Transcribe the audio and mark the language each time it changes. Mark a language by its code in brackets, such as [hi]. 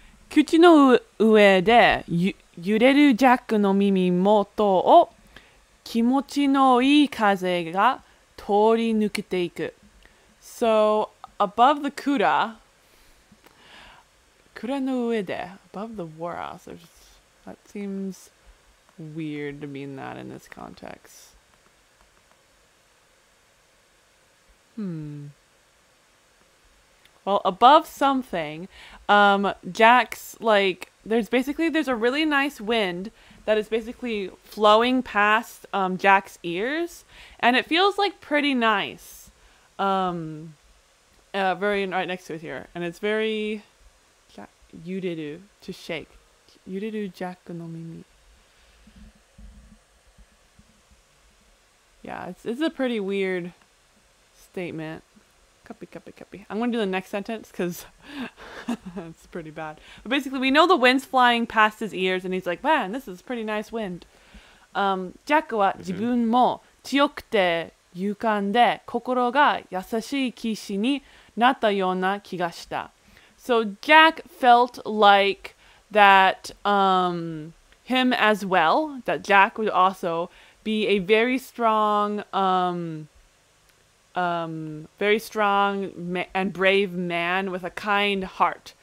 [ja] 口の上で揺れるジャックの耳元を気持ちのいい風が通り抜けていく。 [en] So, above the kura, [ja] kura の上で, [en] above the wara, so that seems weird to mean that in this context. Well, above something, Jack's like, there's a really nice wind that is basically flowing past Jack's ears, and it feels like pretty nice. Very right next to his ear, and it's very yuriru to shake. [ja] Yuriru Jack no mimi. [en] Yeah, it's a pretty weird statement. Copy. I'm going to do the next sentence because it's pretty bad. But basically, we know the wind's flying past his ears and he's like, man, this is pretty nice wind. [ja] Jack は自分も強くて勇敢で心が優しい騎士になったような気がした。 [en] So Jack felt like that him as well, that Jack would also be a very strong... very strong and brave man with a kind heart.